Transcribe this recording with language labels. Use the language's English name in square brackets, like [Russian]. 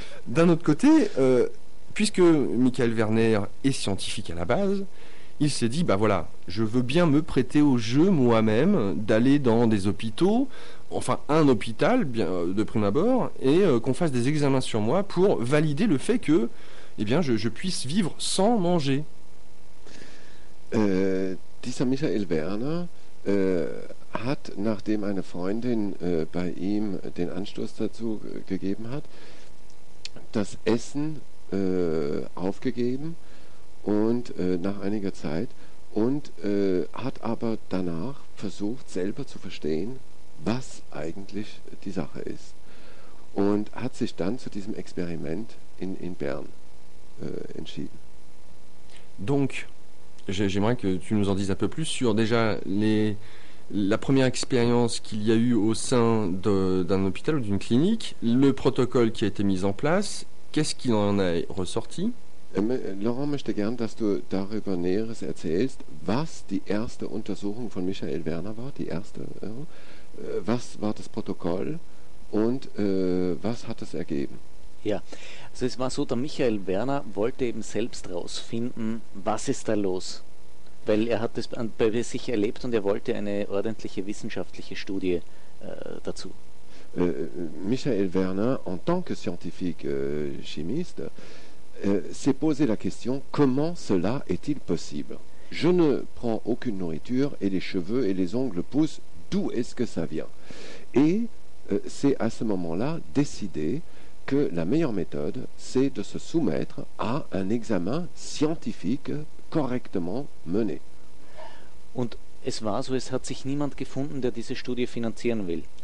[French] D'un autre côté, puisque Michael Werner est scientifique à la base, il s'est dit, bah voilà, je veux bien me prêter au jeu moi-même d'aller dans des hôpitaux, enfin un hôpital bien, de prime abord, et qu'on fasse des examens sur moi pour valider le fait que eh bien, je puisse vivre sans manger. [German] Dieser Michael Werner hat, nachdem eine Freundin bei ihm den Anstoß dazu gegeben hat, das Essen aufgegeben und nach einiger Zeit und hat aber danach versucht, selber zu verstehen, was eigentlich die Sache ist und hat sich dann zu diesem Experiment in Bern entschieden. [French] Donc, j'aimerais que tu nous en dises un peu plus sur déjà les la première expérience qu'il y a eu au sein d'un hôpital ou d'une clinique, le protocole qui a été mis en place, qu'est-ce qui en a ressorti? [German] Laurent möchte gern, dass du darüber Näheres erzählst, was die erste Untersuchung von Michael Werner war, die erste, was war das Protokoll und was hat es ergeben? Ja, also es war so, der Michael Werner wollte eben selbst rausfinden, was ist da los? Weil er hat das bei sich erlebt und er wollte eine ordentliche wissenschaftliche Studie dazu. [French] Michael Werner, en tant que scientifique chimiste, s'est posé la question, comment cela est-il possible? Je ne prends aucune nourriture et les cheveux et les ongles poussent, d'où est-ce que ça vient? Et c'est à ce moment-là décidé que la meilleure méthode, c'est de se soumettre à un examen scientifique correctement mené. [German] Und es war so, es hat sich niemand gefunden, der diese Studie finanzieren will.